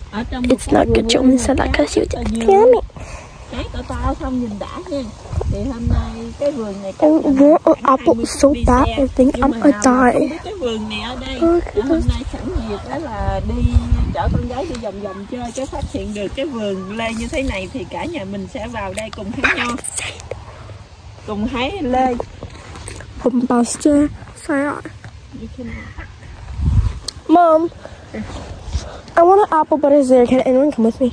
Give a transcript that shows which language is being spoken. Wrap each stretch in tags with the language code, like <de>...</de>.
<en>It's not good, you only said that because you didn't feel me.</en> <vi>trái cỡ to xong nhìn đã nha. Thì hôm nay cái vườn này có khoảng 20 phút đi xe. Nhưng mà nào cái vườn này ở đây. Hôm nay sẵn dịp đó là đi chở con gái đi vòng vòng chơi, cái phát hiện được cái vườn lê như thế này thì cả nhà mình sẽ vào đây cùng hái nho, cùng hái lê. Cùng bao xe. Sao ạ?</vi> <en>Mom, I want an apple, but is there? Can anyone come with me?</en>